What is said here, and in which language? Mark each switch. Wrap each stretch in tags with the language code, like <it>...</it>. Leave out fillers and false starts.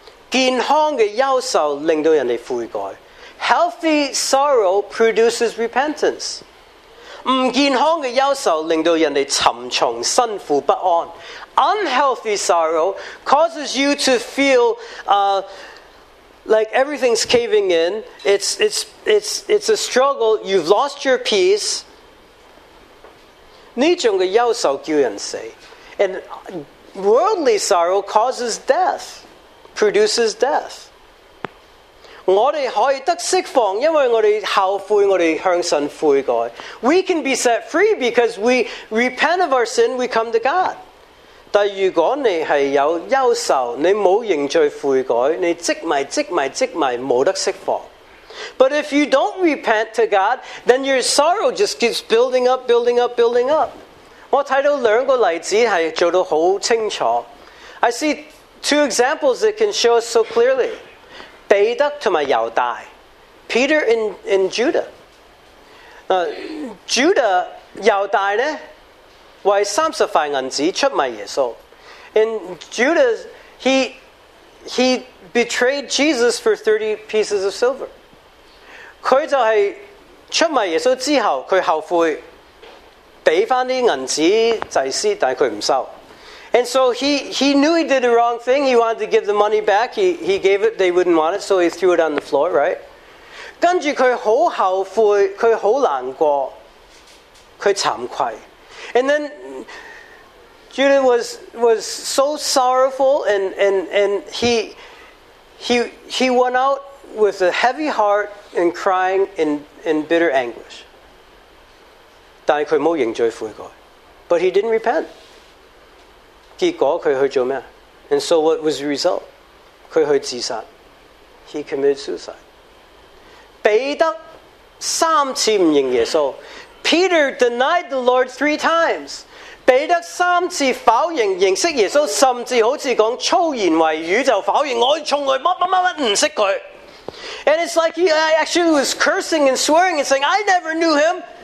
<zh>健康的忧愁令到人哋悔改。</zh> <en>Healthy sorrow produces repentance.</en> <zh>不健康的忧愁令到人哋沉重、辛苦、不安。</zh> <en>Unhealthy sorrow causes you to feel like everything's caving in. It's a struggle. You've lost your peace.</en> <zh>呢种嘅忧愁叫人死。</zh> <en>And worldly sorrow causes death, produces death.</en> <zh>我哋可以得释放，因为我哋后悔，我哋向神悔改。</zh> <en>We can be set free because we repent of our sin, we come to God.</en> <zh>但如果你是有忧愁，你没有认罪悔改，你积埋没得释放。</zh> <en>But if you don't repent to God, then your sorrow just keeps building up, building up, building up.</en> <zh>我看到两个例子是做得很清楚。</zh> <en>I see two examples that can show us so clearly.</en> <zh>彼得和犹大</zh> <en>Peter and Judah.</en> <zh>Judah, 犹大呢为三十块银子出卖耶稣。</zh> <en>And Judas, he betrayed Jesus for 30 pieces of silver.</en> <zh>他就是出卖耶稣之后，他后悔给回那些银子祭司，但他不收。</zh> <en>And so he knew he did the wrong thing. He wanted to give the money back. He gave it. They wouldn't want it. So he threw it on the floor, right?</en> <zh>跟着他很后悔，他很难过，他惭愧。</zh> <en>And then Judah was so sorrowful and he went out with a heavy heart and crying in bitter anguish.</en> <zh>但他没有认罪悔改。</zh> <en>But he didn't repent.</en> <zh>结果他去做什么?</zh> <en>And so what was the result?</en> <zh>他去自杀。</zh> <en>He committed suicide.</en> <zh>彼得 3次不认耶稣,</zh> <en>Peter denied the Lord 3 times.</en> <zh>彼得 3次否认认识耶稣, 甚至好像说粗言为语就否认我从来乜乜乜不认识他。</zh> <en>And it's like he actually was cursing and swearing and saying, I never knew him.</en>